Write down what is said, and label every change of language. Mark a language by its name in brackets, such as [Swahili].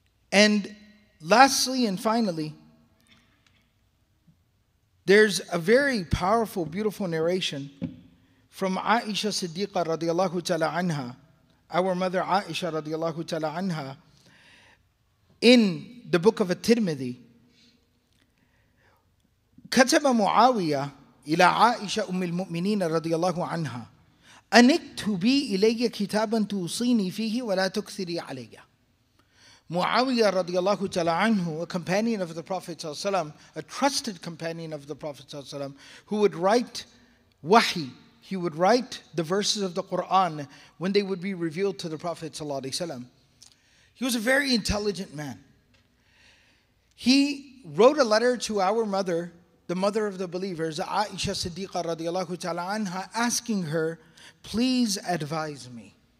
[English] And lastly and finally, there's a very powerful, beautiful narration from Aisha Siddiqa radiallahu ta'ala anha, our mother Aisha radiallahu ta'ala anha, in the book of At-Tirmidhi. [Arabic] كتب معاوية إلى عائشة أم المؤمنين رضي الله عنها أنكتب بي إلي كتابا توصيني فيه ولا تكثري علي. [English] Muawiyah radiallahu ta'ala anhu, a companion of the Prophet sallallahu alayhi wa sallam, a trusted companion of the Prophet sallallahu alayhi wa sallam, who would write wahi, he would write the verses of the Qur'an when they would be revealed to the Prophet sallallahu alayhi wa sallam. He was a very intelligent man. He wrote a letter to our mother, the mother of the believers, Aisha Siddiqa radiallahu ta'ala anha, asking her, please advise me.